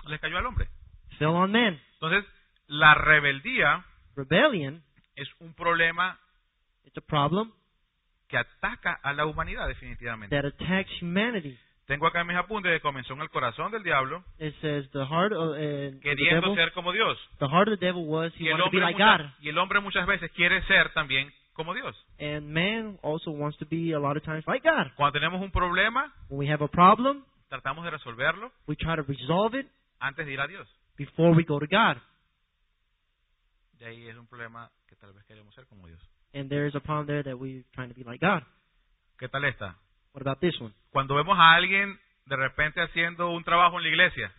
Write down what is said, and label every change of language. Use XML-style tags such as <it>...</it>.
<es>Le cayó al hombre.</es> <en>Fell on men.</en> <es>Entonces, la rebeldía.</es> <en>Rebellion.</en> <es>Es un problema.</es> <en>It's a problem.</en> <es>Que ataca a la humanidad definitivamente.</es> <en>That attacks humanity.</en> <es>Tengo acá mis apuntes que comenzó en el corazón del diablo.</es> <en>It says the heart of the devil.</en> <es>Queriendo ser como Dios.</es> <en>The heart of the devil was he wanted to be like God.</en> <es>Y el hombre muchas veces quiere ser también como Dios.</es> <en>And man also wants to be a lot of times like God.</en> <es>Cuando tenemos un problema,</es> <en>when we have a problem,</en> <es>tratamos de resolverlo,</es> <en>we try to resolve it</en> <es>antes de ir a Dios.</es> <en>Before we go to God.</en> <es>De ahí es un problema que tal vez queremos ser como Dios.</es> <en>And there is a problem there that we're trying to be like God.</en> <es>¿Qué tal esta?</es> <en>What about this one?</en> <es>Cuando vemos a alguien de repente haciendo un trabajo en la iglesia.</es>